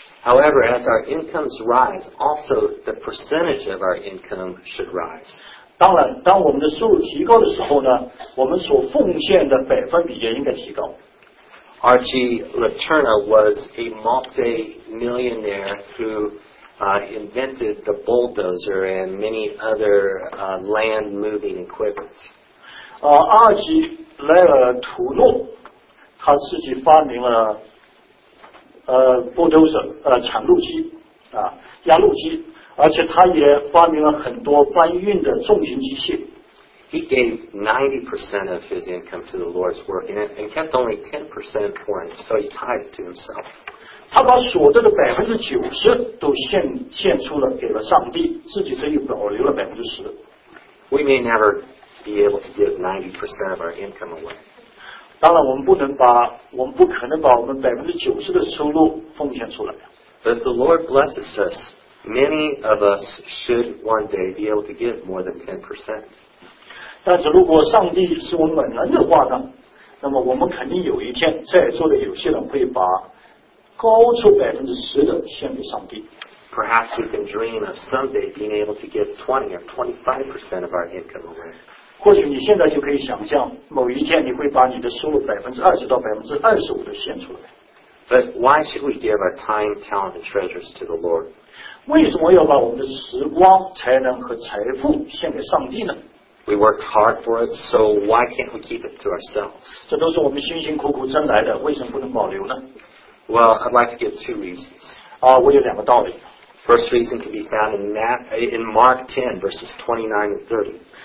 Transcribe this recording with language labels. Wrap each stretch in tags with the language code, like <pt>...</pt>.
<en>However, as our incomes rise, also the percentage of our income should rise.</en> <zh>当然，当我们的收入提高的时候呢，我们所奉献的百分比也应该提高。</zh> <en>Archie Letourneau was a multi-millionaire who invented the bulldozer and many other land moving equipment.</en> <zh>阿吉莱尔图诺, 他自己发明了bulldozer, 铲路机, 压路机, 而且他也发明了很多搬运的重型机械。</zh> <en>He gave 90% of his income to the Lord's work and kept only 10% for him, so he tied it to himself.</en> <zh>他把所得的 90% 都 献出了给了上帝，自己只有保留了 10%。</zh> <en>We may never be able to give 90% of our income away.</en> <zh>当然我们不可能把我们 90% 的收入奉献出来。</zh> <en>But the Lord blesses us, many of us should one day be able to give more than 10%.</en> <zh>但是如果上帝是我们人的话呢，那么我们肯定有一天在座的有些人会把高出 10% 的献给上帝。</zh> <en>Perhaps we can dream of someday being able to give 20 or 25% of our income away.</en> <zh>或许你现在就可以想象某一天你会把你的收入 20% 到 25% 的献出来。</zh> <en>But why should we give our time, talent and treasures to the Lord?</en> <zh>为什么要把我们的时光、才能和财富献给上帝呢？</zh> <en>We worked hard for it, so why can't we keep it to ourselves?</en> <zh>这都是我们辛辛苦苦挣来的，为什么不能保留呢？</zh> <en>Well, I'd like to give two reasons.</en> <zh>我有两个道理。</zh> <en>First reason can be found in Mark 10, verses 29 and 30.</en>